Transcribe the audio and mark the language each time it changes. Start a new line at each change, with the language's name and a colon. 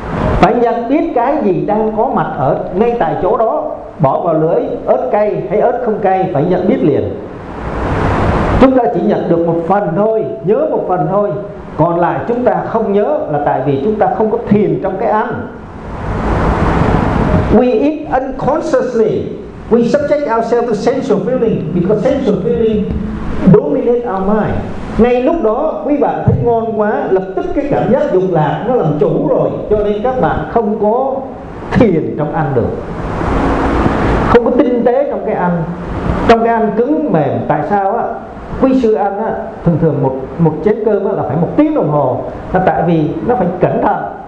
Vietnamese: Phải nhận biết cái gì đang có mặt ở ngay tại chỗ đó, bỏ vào lưỡi, ớt cay hay ớt không cay, phải nhận biết liền. Chúng ta chỉ nhận được một phần thôi, nhớ một phần thôi, còn lại chúng ta không nhớ là tại vì chúng ta không có thiền trong cái ăn.
English: We eat unconsciously, we subject ourselves to sensual feeling, because sensual feeling dominate our mind.
Vietnamese: Ngay lúc đó quý bạn thấy ngon quá, lập tức cái cảm giác dục lạc nó làm chủ rồi, cho nên các bạn không có thiền trong ăn được, không có tinh tế trong cái ăn. Trong cái ăn cứng mềm, tại sao á? Quý sư ăn á, thường thường một chén cơm á, là phải một tiếng đồng hồ, là tại vì nó phải cẩn thận.